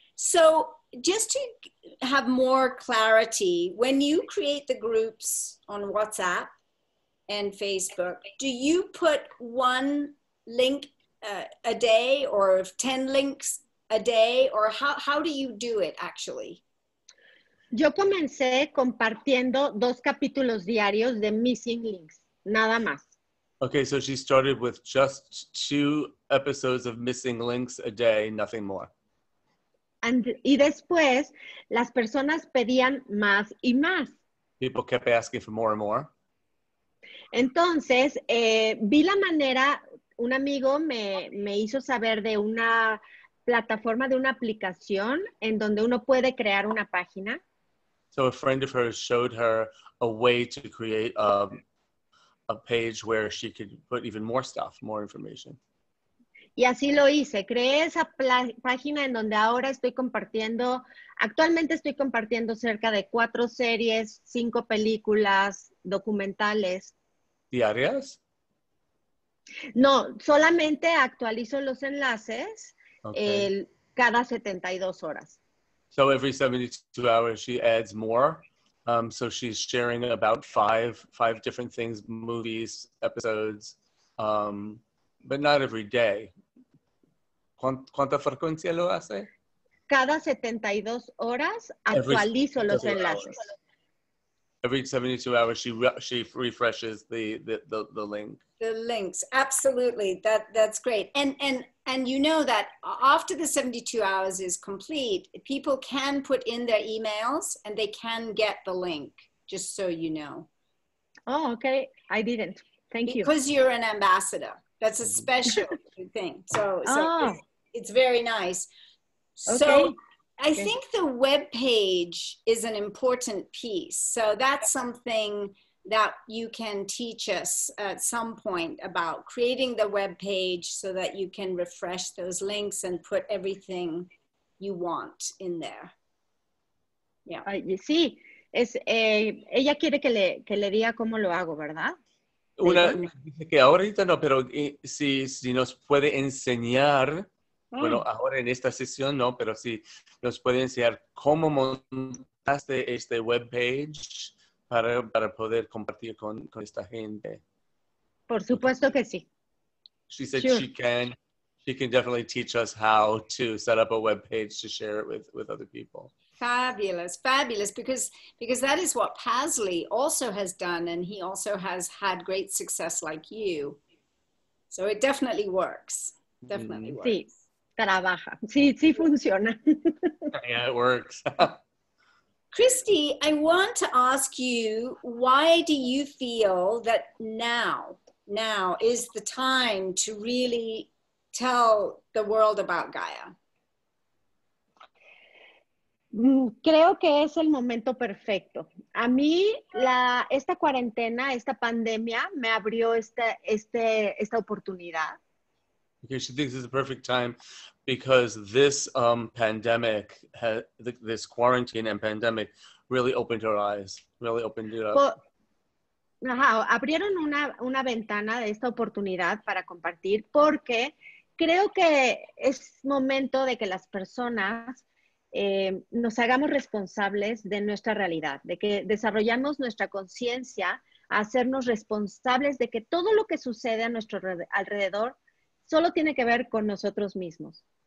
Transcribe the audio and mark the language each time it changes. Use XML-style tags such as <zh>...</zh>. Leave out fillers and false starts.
<en>So just to have more clarity, when you create the groups on WhatsApp and Facebook, do you put one link a day or 10 links a day, or how do you do it actually?</en> <es>Yo comencé compartiendo 2 capítulos diarios de Missing Links, nada más.</es> <en>Okay, so she started with just 2 episodes of Missing Links a day, nothing more.</en> <es>Y después, las personas pedían más y más.</es> <en>People kept asking for more and more.</en> <es>Entonces, vi la manera, un amigo me hizo saber de una plataforma, de una aplicación, en donde uno puede crear una página.</es> <en>So a friend of hers showed her a way to create a page where she could put even more stuff, more information.</en> <es>Y así lo hice. Creé esa página en donde ahora estoy compartiendo, actualmente estoy compartiendo cerca de 4 series, 5 películas, documentales. ¿Diarias? No, solamente actualizo los enlaces cada 72 horas.</es> <en>So every 72 hours she adds more So she's sharing about five different things, movies, episodes, but not every day.</en> <es>¿Cuánta frecuencia lo hace? Cada 72 horas actualizo los enlaces.</es> <en>Every 72 hours, she refreshes the link. The links, absolutely. That's great. And you know that after the 72 hours is complete, people can put in their emails and they can get the link, just so you know. Oh, okay. I didn't. Thank you. Because you're an ambassador. That's a special thing. So it's very nice. Okay. So, I think the web page is an important piece. So that's something that you can teach us at some point about creating the web page so that you can refresh those links and put everything you want in there. Yeah.</en> <es>Sí, ella quiere que le diga cómo lo hago, ¿verdad? Una dice que ahorita no, pero si nos puede enseñar. Bueno, ahora en esta sesión no, pero sí nos puede enseñar cómo montaste este webpage para poder compartir con esta gente. Por supuesto que sí.</es> <en>She said she can definitely teach us how to set up a webpage to share it with other people. Fabulous, because that is what Pasley also has done, and he also has had great success like you. So it definitely works. Definitely works.</en> <es>Sí. Trabaja. Sí, sí funciona.</es> <en>Yeah, it works. Christy, I want to ask you, why do you feel that now is the time to really tell the world about Gaia?</en> <es>Creo que es el momento perfecto. A mí, esta cuarentena, esta pandemia, me abrió esta oportunidad.</es> <en>Okay, she thinks it's the perfect time because this pandemic, this quarantine and pandemic really opened her eyes, really opened it up. Well,</en> <es>abrieron una ventana de esta oportunidad para compartir porque creo que es momento de que las personas nos hagamos responsables de nuestra realidad, de que desarrollamos nuestra conciencia, hacernos responsables de que todo lo que sucede a nuestro alrededor solo tiene que ver con nosotros mismos.</es>